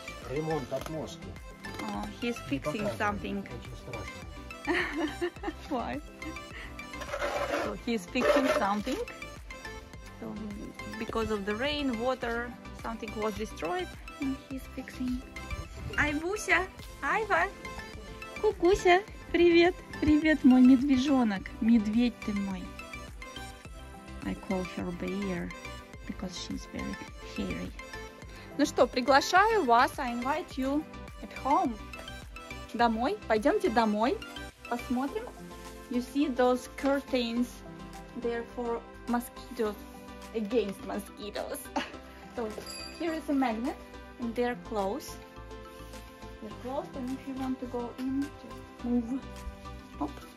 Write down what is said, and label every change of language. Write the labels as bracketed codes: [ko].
[ru] Ремонт от мозги. [en] Oh, he's fixing something. Why? So he's fixing something. So because of the rain, water, something was destroyed, and he's fixing. [ru] Ай, Буся, Айва, Кукуся, привет, привет, мой медвежонок, медведь ты мой. [en] I call her bear because she's very hairy. [ru] Ну что, приглашаю вас, [en] I invite you at home. [ru] Домой, пойдемте домой, посмотрим. [en] You see those curtains, they're for mosquitoes, against mosquitoes. So here is a magnet and they're closed. They're closed and if you want to go in, just move. Hop.